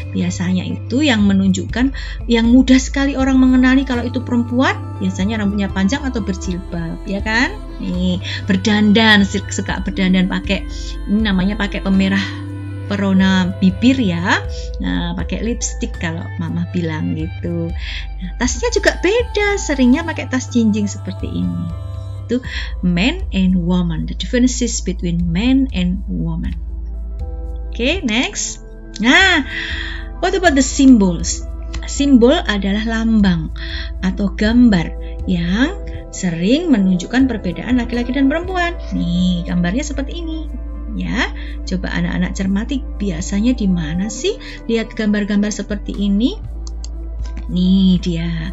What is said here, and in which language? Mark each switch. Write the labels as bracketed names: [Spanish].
[Indonesian] Biasanya itu yang menunjukkan yang mudah sekali orang mengenali kalau itu perempuan, biasanya rambutnya panjang atau berjilbab, ya kan? Nih, berdandan, suka berdandan pakai ini namanya pakai pemerah perona bibir ya. Nah, pakai lipstick kalau mama bilang gitu. Nah, tasnya juga beda, seringnya pakai tas jinjing seperti ini. [English] Itu men and woman, the differences between men and woman. Oke, next. Nah, what about the symbols? [Indonesian] Simbol adalah lambang atau gambar yang sering menunjukkan perbedaan laki-laki dan perempuan. Nih, gambarnya seperti ini. Ya, coba anak-anak cermati, biasanya di mana sih lihat gambar-gambar seperti ini? Nih dia.